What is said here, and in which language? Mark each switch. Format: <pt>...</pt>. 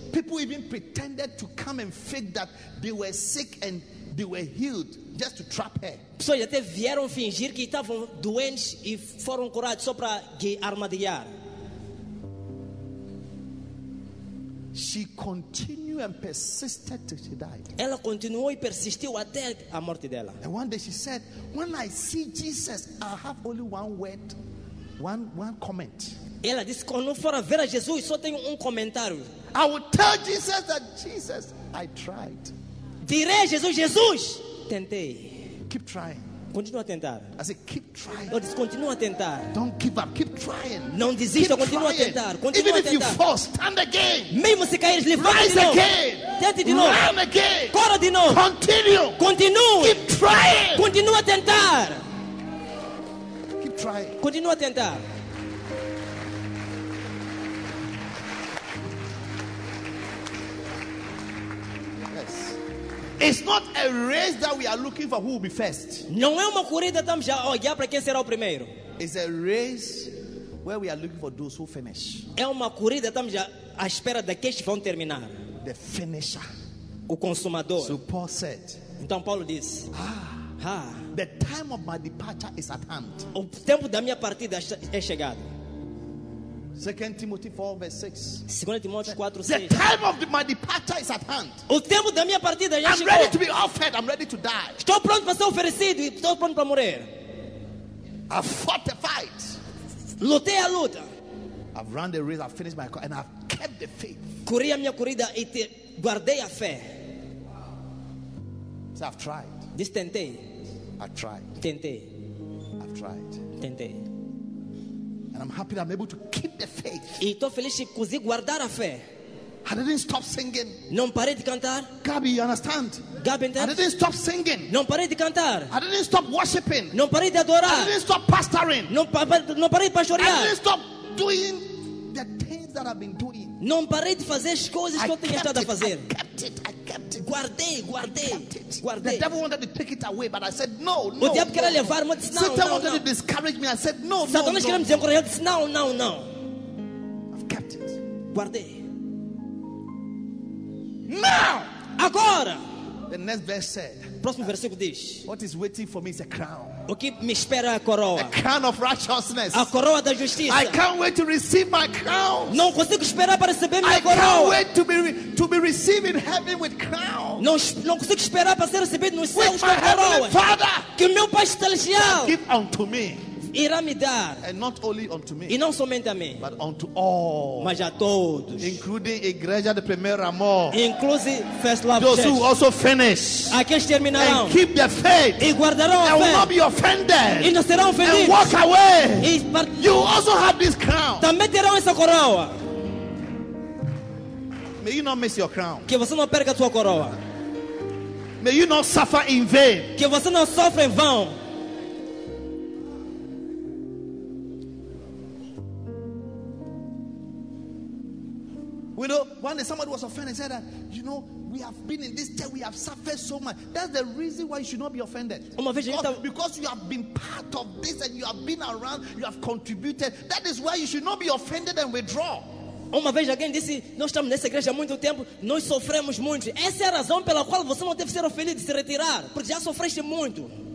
<en>People even pretended to come and fake that they were sick and they were healed just to trap her.</en> <pt>Pessoas até vieram fingir que estavam doentes e foram curados só para armadilhar.</pt> <en>She continued and persisted till she died.</en> <pt>Ela continuou e persistiu até a morte dela.</pt> <en>And one day she said, "When I see Jesus, I have only one word, one comment."</en> <pt>Ela disse, "Quando for a ver a Jesus, só tenho comentário."</pt> <en>I will tell Jesus that Jesus, I tried.</en> <pt>Direi a Jesus, Jesus, tentei.</pt> <en>Keep trying.</en> <pt>Continua a tentar.</pt> <en>I said, keep trying.</en> <pt>Eu disse, continua a tentar.</pt> <en>Don't give up. Keep trying.</en> <pt>Não desista. Continua a tentar. Continua</pt> <en>Even</en> <pt>a tentar.</pt> <en>Even if you fall, stand again.</en> <pt>Mesmo se cair, levanta</pt> <en>Rise</en> <pt>de novo.</pt> <en>Again.</en> <pt>Tente de novo.</pt> <en>Run again.</en> <pt>Corra de novo.</pt> <en>Continue.</en> <pt>Continue.</pt> <en>Keep trying.</en> <pt>Continua a tentar.</pt> <en>Keep trying.</en> <pt>Continua a tentar.</pt> <en>It's not a race that we are looking for who will be first.</en> <pt>Não é uma corrida tamos a olhar para quem será o primeiro.</pt> <en>It's a race where we are looking for those who finish.</en> <pt>É uma corrida tamos à espera daqueles que vão terminar.</pt> <en>The finisher.</en> <pt>O consumador.</pt> <en>So Paul said.</en> <pt>Então Paulo disse.</pt> <en>The time of my departure is at hand.</en> <pt>O tempo da minha partida é chegado.</pt> <en>2 Timothy 4 verse 6.</en> <pt>2 Timóteo 4, 6.</pt> <en>The time of my departure is at hand.</en> <pt>O tempo da minha partida já</pt> <en>I'm</en> <pt>chegou.</pt> <en>Ready to be offered. I'm ready to die.</en> <pt>Estou pronto para ser oferecido e estou pronto para morrer.</pt> <en>I fought the fight.</en> <pt>Lutei a luta.</pt> <en>I've run the race, I've finished my course, and I've kept the faith.</en> <pt>Corri a minha corrida e te guardei a fé.</pt> <en>So I've tried.</en> <pt>Diz, tentei.</pt> <en>I've tried. And I'm happy that I'm able to keep the faith.</en> <pt>E tô feliz que consegui guardar a fé.</pt> <en>I didn't stop singing.</en> <pt>Não parei de cantar.</pt> <en>Gabi, you understand? Gabi, I didn't stop singing.</en> <pt>Não parei de cantar.</pt> <en>I didn't stop worshiping.</en> <pt>Não parei de adorar.</pt> <en>I didn't stop pastoring.</en> <pt>Não parei de pastorear.</pt> <en>I didn't stop doing the things that I've been doing.</en> <pt>Não parei de fazer as coisas que eu tenho estado a fazer.</pt> <en>I kept it.</en> <pt>Guardei.</pt> <en>The devil wanted to take it away, but I said no.</en> <pt>O diabo queria levar, mas disse não.</pt> <en>Satan wanted to discourage me. I said no.</en> <pt>Satanás queria me desencorajar. Eu disse não.</pt> <en>I've kept it.</en> <pt>Guardei.</pt> <en>Now,</en> <pt>agora.</pt> <en>The next verse said.</en> <pt>Próximo versículo diz.</pt> <en>What is waiting for me is a crown.</en> <pt>O que me espera é a coroa.</pt> <en>A crown of righteousness.</en> <pt>A coroa da justiça.</pt> <en>I can't wait to receive my crown.</en> <pt>Não consigo esperar para receber</pt> <en>I</en> <pt>minha coroa.</pt> <en>I can't wait to be received in heaven with crown.</en> <pt>Não consigo esperar para ser recebido nos céus com a coroa.</pt> <en>With my heavenly Father.</en> <pt>Que o meu Pai celestial.</pt> <en>Give unto me.</en> <pt>Irá me dar.</pt> <en>And not only unto me.</en> <pt>E não somente a mim.</pt> <en>But unto all.</en> <pt>Mas a todos.</pt> <en>Including Igreja de Primeiro Amor.</en> <pt>Inclusive First Love</pt> <en>those Church. Those who also finish.</en> <pt>Aqueles terminarão.</pt> <en>And keep their faith.</en> <pt>E guardarão a</pt> <en>and</en> <pt>fé.</pt> <en>And will not be offended.</en> <pt>E não serão ofendidos.</pt> <en>And walk away.</en> <pt>E</pt> <en>you also have this crown.</en> <pt>Também terão essa coroa.</pt> <en>May you not miss your crown.</en> <pt>Que você não perca a sua coroa.</pt> <en>May you not suffer in vain.</en> <pt>Que você não sofra em vão.</pt> <en>You know, one day somebody was offended and said that, you know, we have been in this church, we have suffered so much. That's the reason why you should not be offended. Because you have been part of this and you have been around, you have contributed. That is why you should not be offended and withdraw.</en> <pt>Uma vez alguém disse, nós estamos nessa igreja há muito tempo, nós sofremos muito. Essa é a razão pela qual você não deve ser ofendido de se retirar, porque já sofreste muito.</pt>